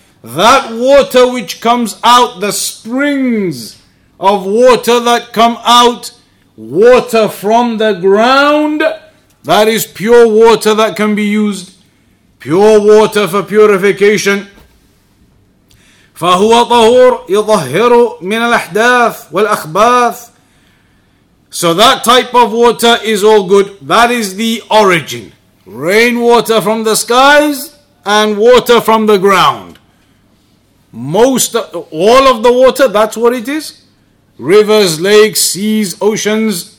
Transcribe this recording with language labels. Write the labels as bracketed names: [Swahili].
[English] That water which comes out, the springs of water that come out water from the ground, that is pure water that can be used, pure water for purification. [Arabic] فهو طهور يظهر من الأحداث والأخباث. [English] So that type of water is all good. That is the origin. Rainwater from the skies and water from the ground. All of the water, that's what it is. Rivers, lakes, seas, oceans.